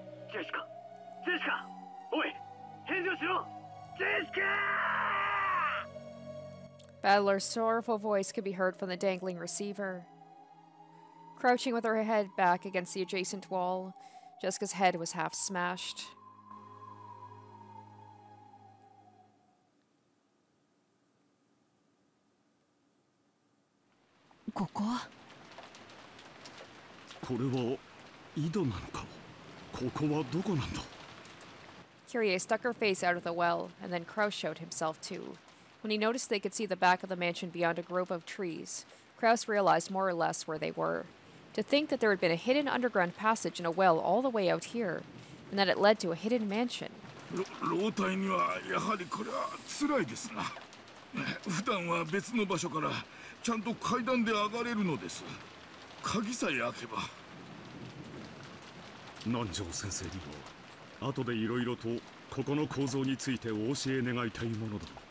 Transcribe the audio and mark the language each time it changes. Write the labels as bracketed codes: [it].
[ja] ジェシカ、ジェシカ、おい、返事をしろ、ジェシカ。 [en] Battler's sorrowful voice could be heard from the dangling receiver. Crouching with her head back against the adjacent wall, Jessica's head was half smashed. [ja] ここは？これは井戸なのか？ここはどこなんだ？ [en] Kyrie stuck her face out of the well, and then Kraus showed himself too. When he noticed they could see the back of the mansion beyond a grove of trees, Kraus realized more or less where they were. To think that there had been a hidden underground passage in a well all the way out here, and that it led to a hidden mansion. [ja] Lotai にはやはりこれは辛いですな。普段は別の場所からちゃんと階段で上がれるのです。鍵さえ開けば。南條先生にも後でいろいろとここの構造についてお教え願いたいものだ。